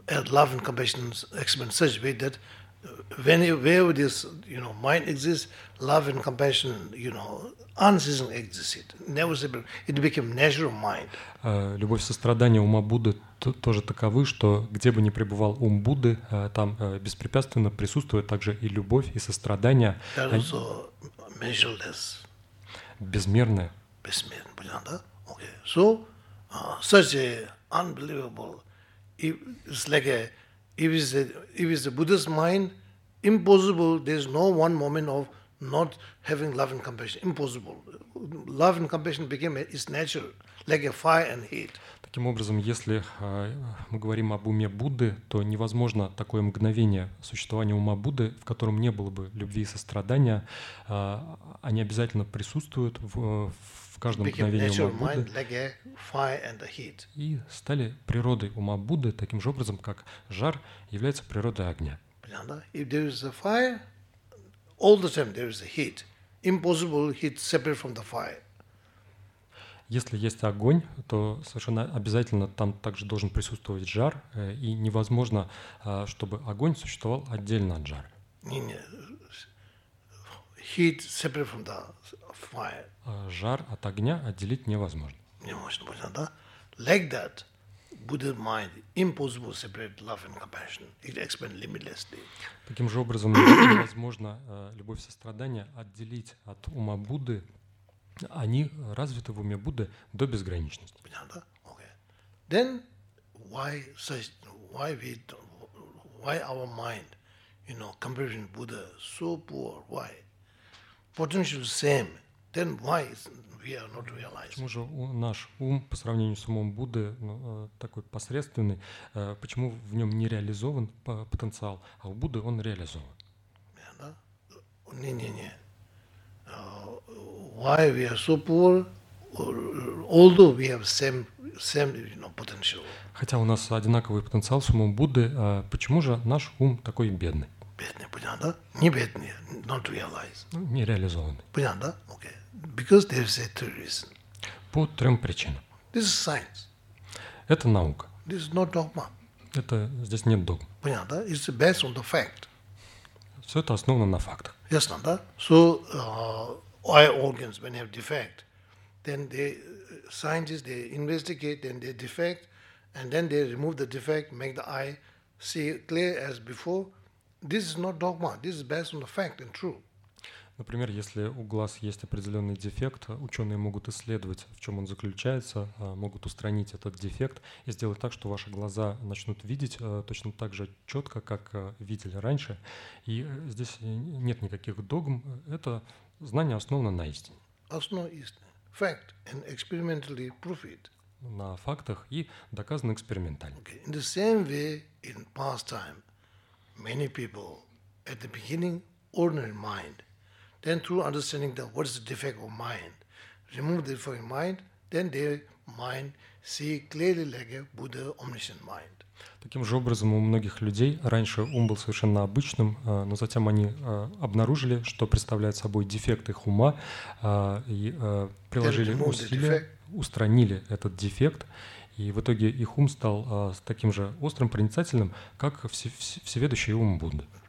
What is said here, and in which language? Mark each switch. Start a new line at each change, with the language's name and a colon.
English: love and compassion excellent in such a way that when you, wherever this, you know, mind exists, love and compassion, you know, unceasingly existed. Never separate. It became natural mind.
Russian: Любовь, сострадание ума Будды тоже таковы, что где бы ни пребывал ум Будды, там беспрепятственно присутствует также и любовь, и сострадание.
English: Also measureless.
Russian: Безмерное. Безмерное, понятно, да? Okay.
English: So, such a unbelievable, it's like a, if it's a Buddhist mind, impossible, there's no one moment of not having love and compassion. Impossible. Love and compassion became its natural, like a fire and heat.
Russian: Таким образом, если мы говорим об уме Будды, то невозможно такое мгновение существования ума Будды, в котором не было бы любви и сострадания, они обязательно присутствуют в каждом мгновении ума Будды.
English: Like fire and the heat.
Russian: И стали природой ума Будды, таким же образом, как жар является природой огня.
English: If there is a fire, all the time there is a heat. Impossible heat separate from the fire.
Russian: Если есть огонь, то совершенно обязательно там также должен присутствовать жар, и невозможно, чтобы огонь существовал отдельно от жара. Не-не.
English: Heat separate from the fire.
Russian: Жар от огня отделить невозможно. Невозможно, понятно, да?
English: Like that, Buddha's mind, impossible separate love and compassion. It expands limitlessly.
Russian: Таким же образом, невозможно любовь и сострадание отделить от ума Будды. Они развиты в уме Будды до безграничности. Понятно?
English: Okay. Then why such, why we, why our mind, you know, comparing Buddha so poor? Why? Potential same. Then why we are not realized?
Russian: Почему же наш ум по сравнению с умом Будды такой посредственный? Почему в нем не реализован потенциал, а у Будды он реализован? Понятно? Не-не-не.
English: Why we are so poor, although we have same you know, potential.
Russian: Хотя у нас одинаковый потенциал с умом Будды, почему же наш ум такой бедный? Бедный, понятно, да? Не бедный,
English: not realized.
Russian: Ну, не реализованный. Понятно, да?
English: Okay. Because there is a two reason.
Russian: По трем причинам.
English: This is science.
Russian: Это наука.
English: This is not dogma.
Russian: Это здесь нет догм. Понятно, да?
English: It's based on the fact.
Russian: Все это основано на фактах. Ясно, да?
English: So, eye organs when they have defect, then they scientists they investigate, then they defect, and then they remove the defect, make the eye see clear as before. This is not dogma. This is based on the fact and true.
Russian: Например, если у глаз есть определенный дефект, ученые могут исследовать, в чем он заключается, могут устранить этот дефект и сделать так, что ваши глаза начнут видеть точно так же четко, как видели раньше. И здесь нет никаких догм. Это знание основано на истине. Основано на истине.
English: Fact and experimentally prove it.
Russian: На фактах и доказано экспериментально.
English: Okay. In the same way, in past time, many people at the beginning ordinary mind. Then through understanding that what is the defect of mind, remove the defect of mind, then their mind see clearly like a Buddha omniscient mind.
Russian: Таким же образом у многих людей раньше ум был совершенно обычным, но затем они обнаружили, что представляет собой дефект их ума, и приложили усилия, устранили этот дефект, и в итоге их ум стал таким же острым, проницательным, как всеведущий ум Будды.